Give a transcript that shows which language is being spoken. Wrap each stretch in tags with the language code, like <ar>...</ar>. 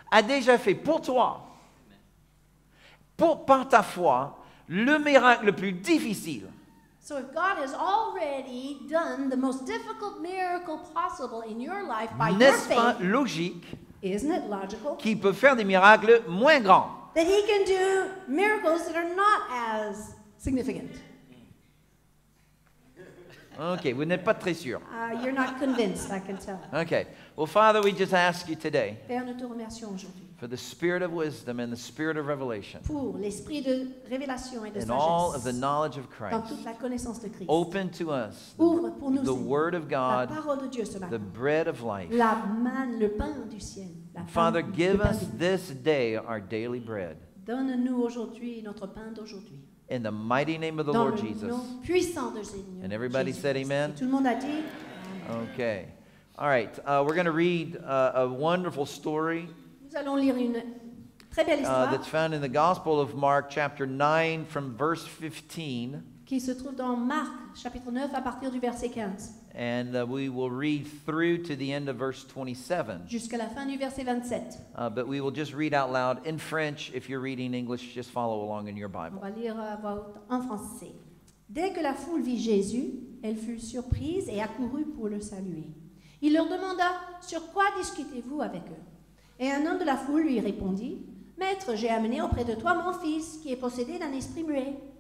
<fr>a déjà fait pour toi, pour, par ta foi, le miracle le plus difficile.</fr> <en>So if God has already done the most difficult miracle possible in your life by</en> <fr>n'est-ce</fr> <en>your faith,</en> <fr>logique,</fr> <en>isn't it logical?</en> <fr>Qu'il peut faire des miracles moins grands.</fr> <en>That he can do miracles that are not as significant.</en> <fr>Okay, vous n'êtes pas très sûr.</fr> <en>You're not convinced, I can tell. Okay. Well, Father, we just ask you today.</en> <fr>Père, nous te remercions aujourd'hui.</fr> <en>For the spirit of wisdom and the spirit of revelation.</en> <fr>Pour l'esprit de révélation et de sagesse.</fr> <en>And all of the knowledge of Christ.</en> <fr>Dans toute la connaissance de Christ.</fr> <en>Open to us.</en> <fr>Ouvre pour nous.</fr> <en>The word of God.</en> <fr>La parole de Dieu ce matin.</fr> <en>The bread of life.</en> <fr>La manne, le pain du ciel. La</fr> <en>Father,</en> <fr>pain,</fr> <en>give us this day our daily bread.</en> <fr>Donne-nous aujourd'hui notre pain d'aujourd'hui.</fr> <en>In the mighty name of the</en> <fr>Dans</fr> <en>Lord Jesus.</en> <fr>Puissant de Seigneur,</fr> <en>and everybody Jesus said amen.</en> <fr>Tout le monde a dit,</fr> <en>okay. All right. We're going to read a wonderful story.</en> <fr>Nous allons lire une très belle histoire.</fr> <en>That's found in the Gospel of Mark, chapter 9, from verse 15.</en> <fr>Qui se trouve dans Marc, chapitre 9, à partir du verset 15.</fr> <en>And we will read through to the end of verse 27.</en> <fr>Jusqu'à la fin du verset 27.</fr> <en>But we will just read out loud in French. If you're reading English, just follow along in your Bible.</en> <fr>On va lire à voix haute en français. Dès que la foule vit Jésus, elle fut surprise et accourut pour le saluer. Il leur demanda, « Sur quoi discutez-vous avec eux ?» Et un homme de la foule lui répondit, « Maître, j'ai amené auprès de toi mon fils, qui est possédé d'un esprit muet.</fr>